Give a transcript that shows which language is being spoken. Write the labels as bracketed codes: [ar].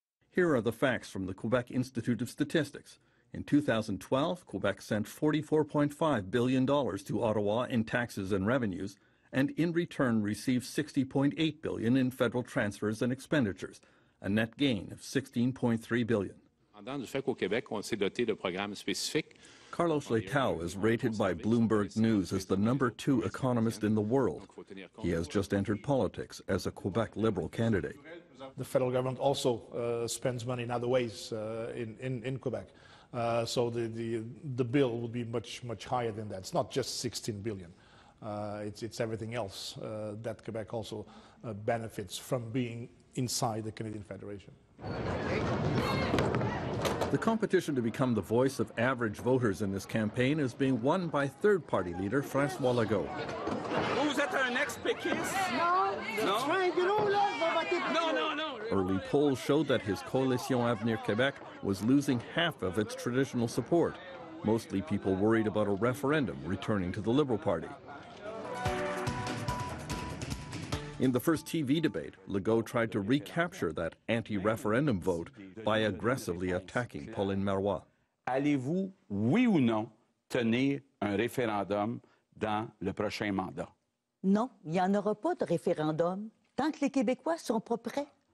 [en] Here are the facts from the Quebec Institute of Statistics. In 2012, Quebec sent $44.5 billion to Ottawa in taxes and revenues, and in return received $60.8 billion in federal transfers and expenditures, a net gain of $16.3 billion. [fr] Pendant le fait qu'au Québec, on s'est doté de programmes spécifiques. [en] Carlos Leitao is rated by Bloomberg News as the number two economist in the world. He has just entered politics as a Quebec Liberal candidate. The federal government also spends money in other ways in Quebec. So the bill would be much, much higher than that. It's not just $16 billion. It's everything else that Quebec also benefits from being inside the Canadian Federation. The competition to become the voice of average voters in this campaign is being won by third-party leader François Legault. [fr] Vous êtes un ex-péquiste? [en] No. Early polls showed that his Coalition Avenir Québec was losing half of its traditional support, mostly people worried about a referendum returning to the Liberal Party. In the first TV debate, Legault tried to recapture that anti-referendum vote by aggressively attacking Pauline Marois. [fr] Allez-vous, oui ou non, tenir un référendum dans le prochain mandat? Non, il n'y en aura pas de référendum tant que les Québécois sont pas prêts.